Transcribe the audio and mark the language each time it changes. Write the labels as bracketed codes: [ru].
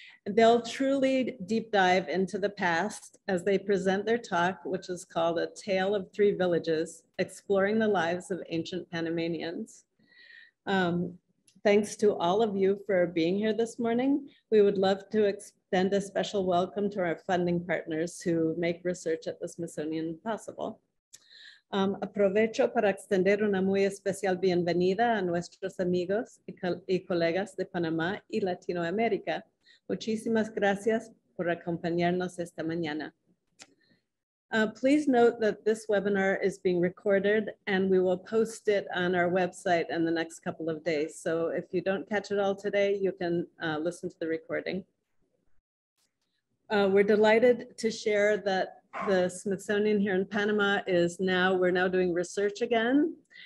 [en] They'll truly deep dive into the past as they present their talk, which is called A Tale of Three Villages, Exploring the Lives of Ancient Panamanians. Thanks to all of you for being here this morning. We would love to extend a special welcome to our funding partners who make research at the Smithsonian possible. [es] Aprovecho para extender una muy especial bienvenida a nuestros amigos y colegas de Panamá y Latinoamérica. Muchísimas gracias por acompañarnos esta mañana. [en] Please note that this webinar is being recorded and we will post it on our website in the next couple of days. So if you don't catch it all today, you can listen to the recording. We're delighted to share that the Smithsonian here in Panama we're now doing research again.